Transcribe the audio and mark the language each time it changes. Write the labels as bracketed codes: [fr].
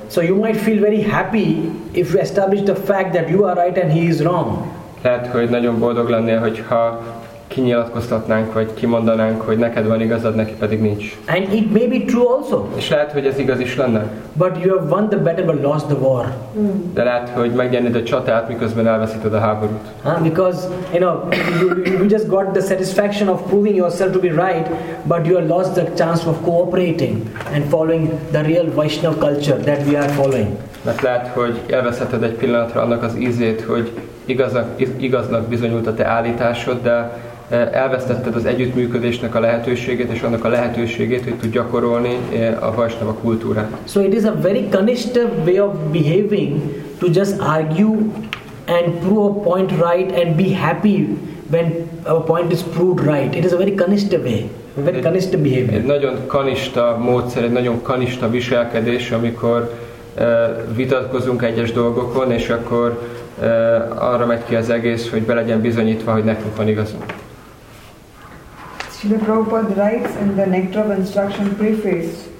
[en] So you might feel very happy if you establish the fact that you are right and he is wrong. [hu] Lehet, hogy nagyon boldog lennél, hogyha kinyilatkoztatnánk, vagy kimondanánk, hogy neked van igazad, neki pedig nincs. [en] And it may be true also. [hu] És lehet, hogy ez igaz is lenne. [en] But you have won the battle but lost the war. [hu] De lehet, hogy megnyerned a csatát, miközben elveszíted a háborút. [en] Because you know you just got the satisfaction of proving yourself to be right, but you have lost the chance of cooperating and following the real Vaishnav culture that we are following. [hu] Mert lehet, hogy elveszheted egy pillanatra annak az ízét, hogy igaznak bizonyult a te állításod, de elvesztetted az együttműködésnek a lehetőségét és annak a lehetőségét, hogy tud gyakorolni a Vaisnava kultúrát. [en] So it is a very Kanishta way of behaving to just argue and prove a point right and be happy when a point is proved right. It is a very Kanishta way. Very Kanishta behavior. [hu] Egy nagyon Kanishta módszer, egy nagyon Kanishta viselkedés, amikor vitatkozunk egyes dolgokon, és akkor arra megy ki az egész, hogy be legyen bizonyítva, hogy nekünk van igazunk. [en] Srila Prabhupada writes in the Nectar of Instruction preface.